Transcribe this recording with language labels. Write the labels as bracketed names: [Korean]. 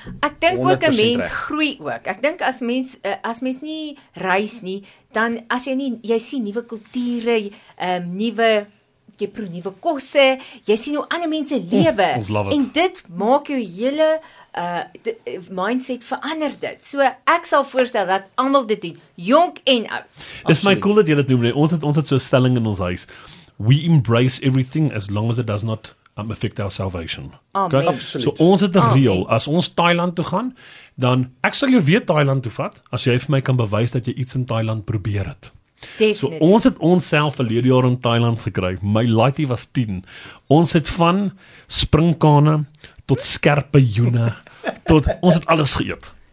[Afrikaans] Ek dink ook 'n mens groei ook. Ek dink as mens nie reis nie, dan as jy nie, jy sien nuwe kulture, nuwe jy proe nuwe kosse, jy sien hoe ander mense lewe. Ons love it. En dit maak jou hele mindset verander dit. So ek sal voorstel dat almal dit doen, jonk en oud. Dis my cool dat jy dit noem. Nee. Ons het so 'n stelling in ons huis. [English] We embrace everything as long as it does not affect our salvation. Okay? So [Afrikaans] ons het 'n reël, as ons Thailand toe gaan, dan ek sal jou weer Thailand toe vat as jy vir my kan bewys dat jy iets in Thailand probeer het. Definitely. So ons het onsself verlede jaar in Thailand gekry. My lightie was 10. Ons het van springkane tot skerpe joene tot ons het alles geëet.